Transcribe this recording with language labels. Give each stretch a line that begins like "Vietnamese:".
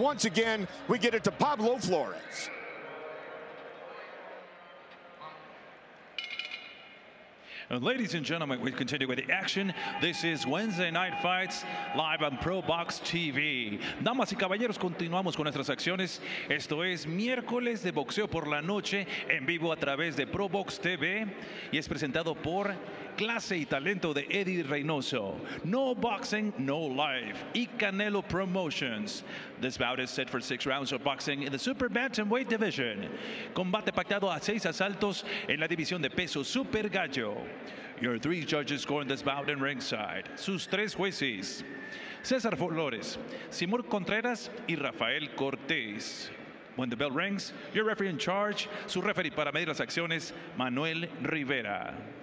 English: Once again, we get it to Pablo Flores. And ladies and gentlemen, we continue with the action. This is Wednesday Night Fights, live on ProBox TV.
Spanish: Damas y caballeros, continuamos con nuestras acciones. Esto es miércoles de boxeo por la noche, en vivo a través de ProBox TV, y es presentado por Clase y Talento de Eddie Reynoso, No Boxing, No Life, y Canelo Promotions.
English: This bout is set for 6 rounds of boxing in the super bantamweight division.
Spanish: Combate pactado a 6 asaltos en la división de peso super gallo.
English: Your 3 judges scoring this bout in ringside.
Spanish: Sus 3 jueces,
English: Cesar Flores, Simur Contreras, y Rafael Cortés. When the bell rings, your referee in charge,
Spanish: su referee para medir las acciones,
English: Manuel Rivera.